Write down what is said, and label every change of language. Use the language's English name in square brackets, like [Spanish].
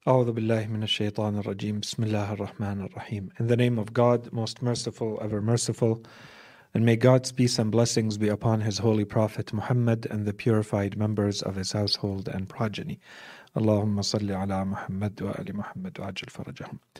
[Arabic] أعوذ بالله من الشيطان الرجيم بسم الله الرحمن الرحيم. [English] In the name of God, most merciful, ever merciful, and may God's peace and blessings be upon His holy prophet Muhammad and the purified members of His household and progeny. [Arabic] اللهم صل على محمد وآل محمد وعجل فرجهم.